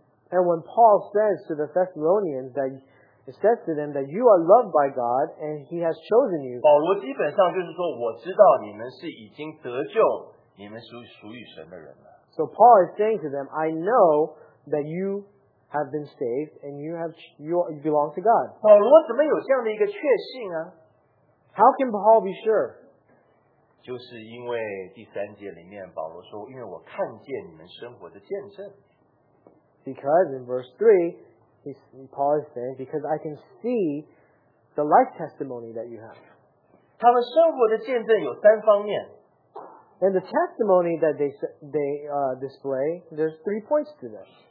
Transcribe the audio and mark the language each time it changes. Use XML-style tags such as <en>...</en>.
<en>And when Paul says to the Thessalonians that he says to them that you are loved by God and he has chosen you.</en> <zh>保罗基本上就是说，我知道你们是已经得救，你们属于神的人了。</zh> <en>So Paul is saying to them, I know that you have been saved and you belong to God.</en> <zh>保罗怎么有这样的一个确信啊？</zh> <en>How can Paul be sure?</en> <zh>就是因为第三节里面保罗说，因为我看见你们生活的见证。</zh> <en>Because in verse 3, Paul is saying, because I can see the life testimony that you have.</en> <zh>他们生活的见证有三方面。</zh> <en>And the testimony that they display, there's 3 points to this.</en>